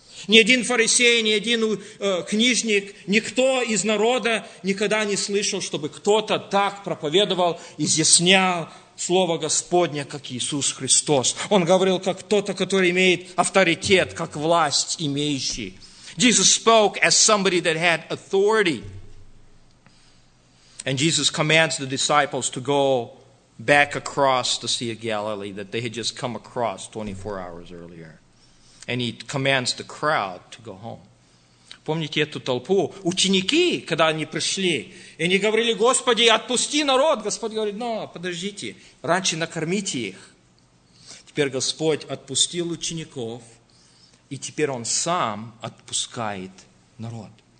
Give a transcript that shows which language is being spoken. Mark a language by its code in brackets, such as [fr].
[ru] Ни один фарисей, ни один книжник, никто из народа никогда не слышал, чтобы кто-то так проповедовал, изъяснял Слово Господне, как Иисус Христос. Он говорил, как кто-то, который имеет авторитет, как власть имеющий. [en] Jesus spoke as somebody that had authority. And Jesus commands the disciples to go back across the Sea of Galilee that they had just come across 24 hours earlier. And he commands the crowd to go home. [ru] Помните эту толпу? Ученики, когда они пришли, и они говорили, Господи, отпусти народ. Господь говорит, но подождите, раньше накормите их. Теперь Господь отпустил учеников, и теперь Он сам отпускает народ.